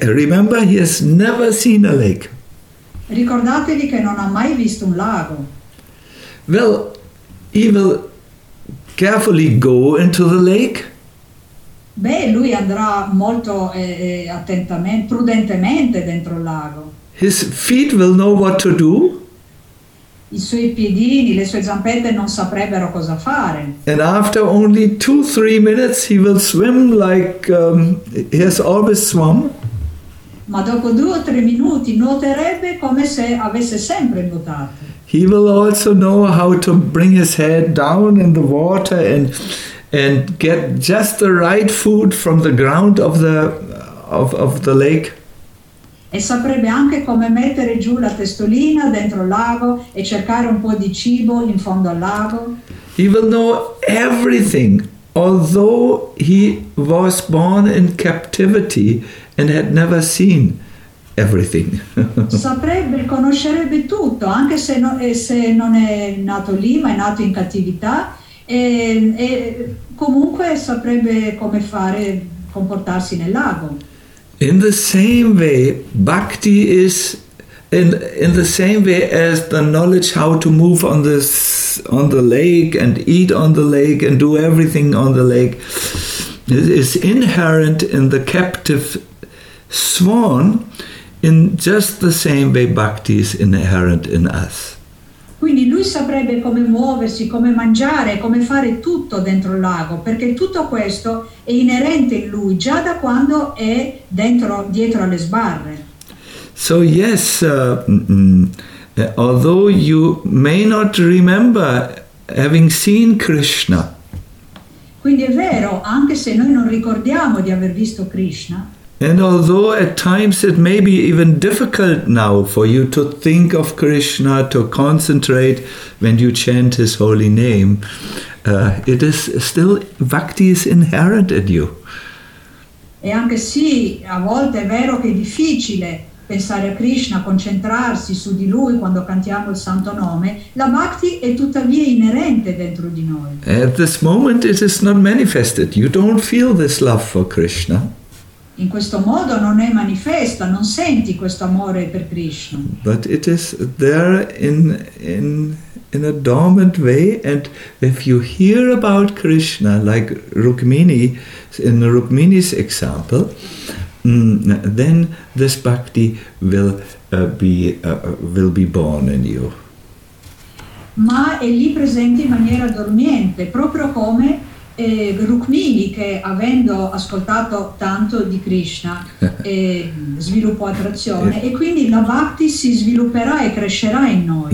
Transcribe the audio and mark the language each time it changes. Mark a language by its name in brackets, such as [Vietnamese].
[English] Remember, he has never seen a lake. [Italian] Ricordatevi che non ha mai visto un lago. [English] Well, he will carefully go into the lake. [Italian] Beh, lui andrà molto attentamente, prudentemente dentro il lago. [English] His feet will know what to do. [Italian] I suoi piedini, le sue zampette non saprebbero cosa fare. [English] And after only 2-3 minutes he will swim like he has always swum. [Italian] Ma dopo 2-3 minuti nuoterebbe come se avesse sempre nuotato. [English] He will also know how to bring his head down in the water and get just the right food from the ground of the lake. [Italian] E saprebbe anche come mettere giù la testolina dentro il lago e cercare un po' di cibo in fondo al lago. [English] He will know everything, although he was born in captivity and had never seen everything. [Italian] Saprebbe, conoscerebbe tutto, anche se non è nato lì, ma è nato in cattività, e comunque saprebbe come fare, comportarsi nel lago. [English] In the same way, bhakti is in the same way as the knowledge how to move on the lake and eat on the lake and do everything on the lake is inherent in the captive swan. In just the same way, bhakti is inherent in us. [Italian] Quindi lui saprebbe come muoversi, come mangiare, come fare tutto dentro il lago, perché tutto questo è inerente in lui già da quando è dietro alle sbarre. [English] So yes, although you may not remember having seen Krishna. [Italian] Quindi è vero, anche se noi non ricordiamo di aver visto Krishna. [English] And although at times it may be even difficult now for you to think of Krishna, to concentrate when you chant his holy name, it is still, bhakti is inherent in you. [Italian] E anche sì, a volte è vero che è difficile pensare a Krishna, concentrarsi su di lui quando cantiamo il santo nome, la bhakti è tuttavia inerente dentro di noi. [English] At this moment it is not manifested, you don't feel this love for Krishna. [Italian] In questo modo non è manifesta, non senti questo amore per Krishna. [English] But it is there in a dormant way, and if you hear about Krishna, like Rukmini, in Rukmini's example, then this bhakti will be born in you. [Italian] Ma è lì presente in maniera dormiente, proprio come Rukmini, che avendo ascoltato tanto di Krishna sviluppò attrazione, e quindi la bhakti si svilupperà e crescerà in noi.